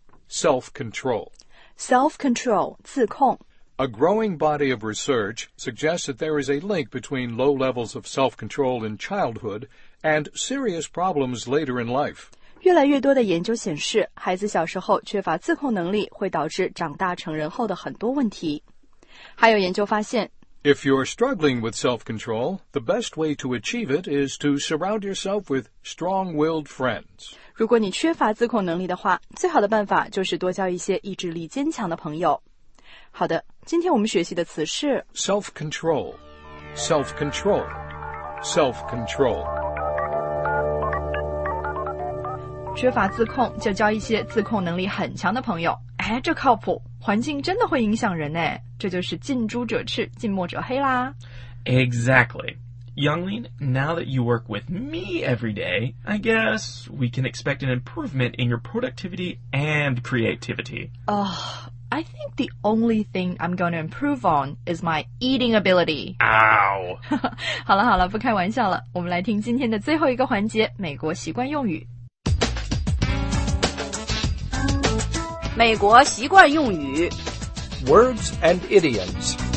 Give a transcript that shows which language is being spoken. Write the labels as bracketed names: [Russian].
[English] Self-control. Self-control, [Chinese] 自控。 [English] A growing body of research suggests that there is a link between low levels of self-control in childhood and serious problems later in life. [Chinese] 越来越多的研究显示，孩子小时候缺乏自控能力会导致长大成人后的很多问题。还有研究发现， [English] If you're struggling with self-control, the best way to achieve it is to surround yourself with strong-willed friends. [Chinese] 如果你缺乏自控能力的话，最好的办法就是多交一些意志力坚强的朋友。好的，今天我们学习的词是 [English] self-control, self-control, self-control. [Chinese] 缺乏自控就交一些自控能力很强的朋友。哎，这靠谱，环境真的会影响人呢。这就是近朱者赤，近墨者黑啦。 [English] Exactly. Younglin, now that you work with me every day, I guess we can expect an improvement in your productivity and creativity. I think the only thing I'm going to improve on is my eating ability. Ow! [Chinese] 好了好了，不开玩笑了。我们来听今天的最后一个环节，美国习惯用语。美国习惯用语。 [English] Words and idioms.